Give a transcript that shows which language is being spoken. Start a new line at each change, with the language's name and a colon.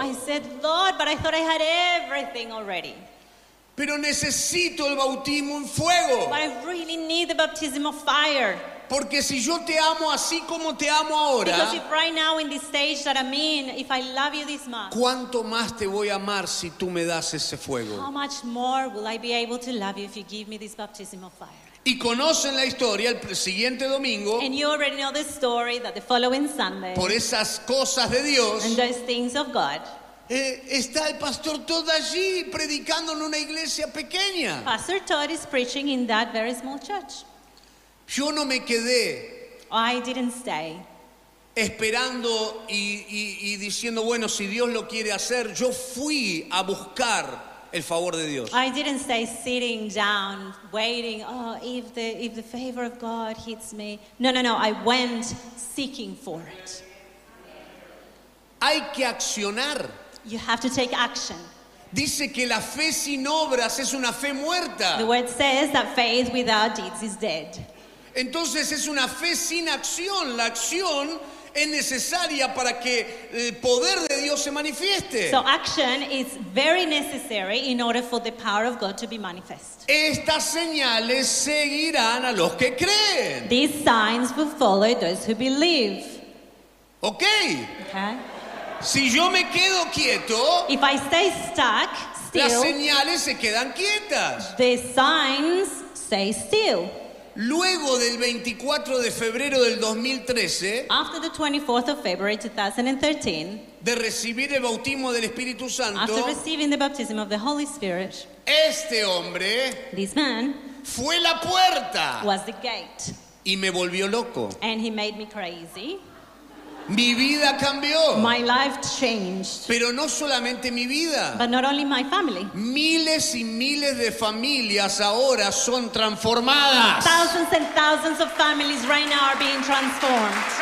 English: I said, Lord, but I thought I had everything already.
Spanish: Pero necesito el bautismo en fuego.
English: But I really need the baptism of fire.
Spanish: Porque si yo te amo así como te amo ahora,
English: because if right now in this stage that I'm in, if I love you this much,
Spanish: ¿cuánto más te voy a amar si tú me das ese fuego?
English: How much more will I be able to love you if you give me this baptism of fire?
Spanish: Y conocen la historia el siguiente domingo.
English: And you already know the story that the following Sunday.
Spanish: Por esas cosas de Dios.
English: And those things of God.
Spanish: Está el pastor Todd allí predicando en una iglesia pequeña.
English: Pastor Todd is preaching in that very small church.
Spanish: Yo no me quedé.
English: I didn't stay.
Spanish: Esperando y diciendo, bueno, si Dios lo quiere hacer, yo fui a buscar el favor de Dios.
English: I didn't stay sitting down waiting, oh, if the favor of God hits me. No, I went seeking for it.
Spanish: Hay que accionar.
English: You have to take action.
Spanish: Dice que la fe sin obras es una fe muerta.
English: The word says that faith without deeds is dead.
Spanish: Entonces es una fe sin acción. La acción es necesaria para que el poder de Dios se manifieste.
English: So action is very necessary in order for the power of God to be manifest.
Spanish: Estas señales seguirán a los que creen.
English: These signs will follow those who believe. Okay. Okay.
Spanish: Si yo me quedo quieto,
English: if I stay stuck, still,
Spanish: las señales se quedan quietas.
English: The signs stay still.
Spanish: Luego del 24 de febrero del 2013,
English: after the 24th of February 2013,
Spanish: de recibir el bautismo del Espíritu Santo,
English: after receiving the baptism of the Holy Spirit,
Spanish: este hombre,
English: this man,
Spanish: fue la puerta,
English: was the gate,
Spanish: y me volvió loco,
English: and he made me crazy.
Spanish: Mi vida cambió.
English: My life changed.
Spanish: Pero no solamente mi vida.
English: But not only my family.
Spanish: Miles y miles de familias ahora son transformadas.
English: Thousands and thousands of families right now are being transformed.